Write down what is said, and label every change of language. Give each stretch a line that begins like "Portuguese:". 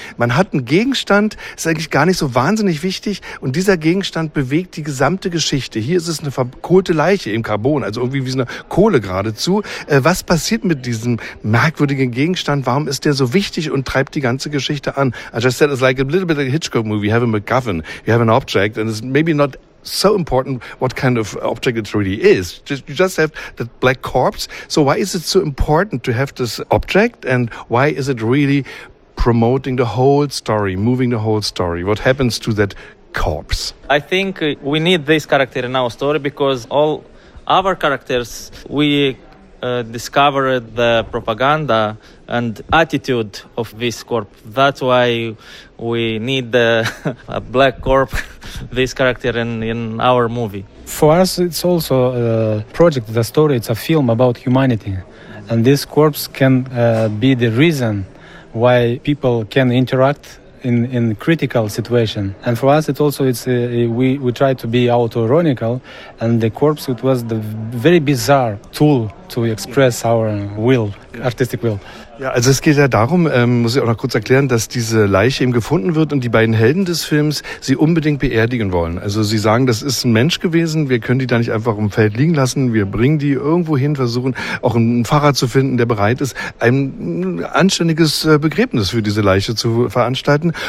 German: Man hat einen Gegenstand, ist eigentlich gar nicht so wahnsinnig wichtig, und dieser Gegenstand bewegt die gesamte Geschichte. Hier ist es eine verkohlte Leiche im Carbon, also irgendwie wie so eine Kohle geradezu. Was passiert mit diesem merkwürdigen Gegenstand? Warum ist der so wichtig und treibt die ganze Geschichte an?
English: As I just said, it's like a little bit of a Hitchcock movie. We have a MacGuffin, we have an object, and it's maybe not so important what kind of object it really is. You just have that black corpse. So why is it so important to have this object, and why is it really promoting the whole story, moving the whole story? What happens to that corpse? I think we need this character in our story because all our characters, we discovered the propaganda and attitude of this corp. That's why we need a black corp, this character, in our movie. For us, it's also a project, the story, it's a film about humanity. And this corpse can be the reason why people can interact in critical situation. And for us, it also, it's we try to be auto-ironical, and the corpse, it was the very bizarre tool to express our will, artistic will.
German: Ja, also es geht ja darum, muss ich auch noch kurz erklären, dass diese Leiche eben gefunden wird und die beiden Helden des Films sie unbedingt beerdigen wollen. Also sie sagen, das ist ein Mensch gewesen, wir können die da nicht einfach im Feld liegen lassen, wir bringen die irgendwo hin, versuchen auch einen Pfarrer zu finden, der bereit ist, ein anständiges Begräbnis für diese Leiche zu veranstalten.